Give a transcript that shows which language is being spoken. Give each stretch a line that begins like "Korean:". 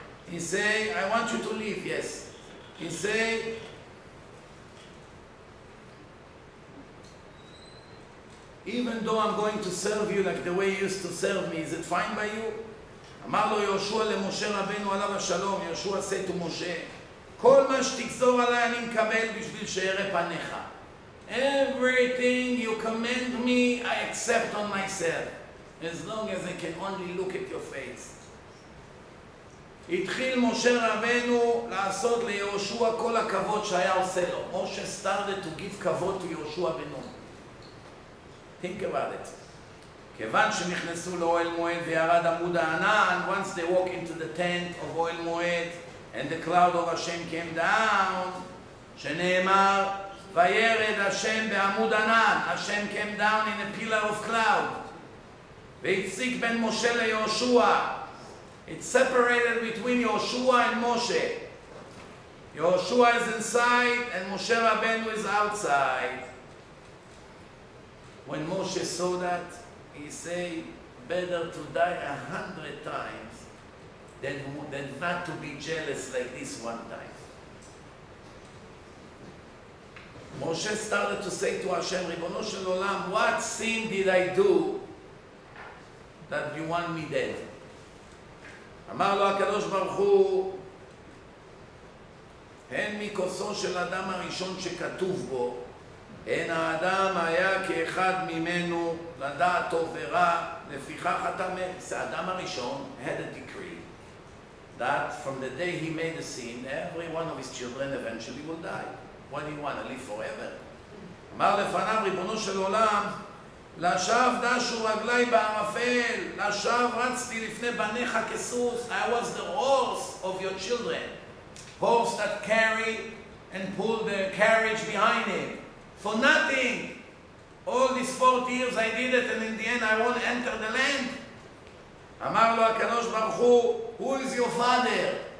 English: He say, I want you to leave, yes. He say, even though I'm going to serve you like the way you used to serve me, is it fine by you?
Hebrew: אמר לו יהושע למשה רבנו עליו השלום, יהושע
English: said to Moshe,
Hebrew: כל מה שתגזור עליי אני מקבל בשביל שירא פניך.
English: Everything you command me, I accept on myself, as long as I can only look at your face.
Hebrew: התחיל משה רבנו לעשות ליהושע כל הכבוד שהיה עושה לו.
English: משה started to give כבוד to יהושע בנו. Think about it.
Hebrew: כיוון שנכנסו לאוהל מועד וירד עמוד הענן,
English: once they walk into the tent of אוהל מועד and the cloud of השם came down,
Hebrew: שנאמר, וירד השם בעמוד ענן,
English: השם came down in a pillar of cloud,
Hebrew: והציג בין משה ליהושע.
English: It separated between Yoshua and Moshe. Yoshua is inside and Moshe Rabbeinu is outside. When Moshe saw that, he said, better to die 100 times than not to be jealous like this one time. Moshe started to say to Hashem, Ribono shel Olam, what sin did I do that you want me dead?
Hebrew: אמר לו הקדוש ברוך הוא, הן מכוסו של אדם הראשון שכתוב בו, הן האדם היה כאחד ממנו לדעת טוב ורע, לפיכך אתה מת. זה האדם הראשון,
English: had a decree, that from the day he made a sin, every one of his children eventually will die. What do you want, to live forever?
Hebrew: אמר לפניו, ריבונו של עולם, לשב דשו רגלי בערפל, לשב רצתי לפני בניך כסוס.
English: I was the horse of your children. Horse that carried and pulled the carriage behind him. For nothing. All these 40 years I did it and in the end I won't enter the land.
Hebrew: אמר לו הקדוש ברוך הוא,
English: who is your father?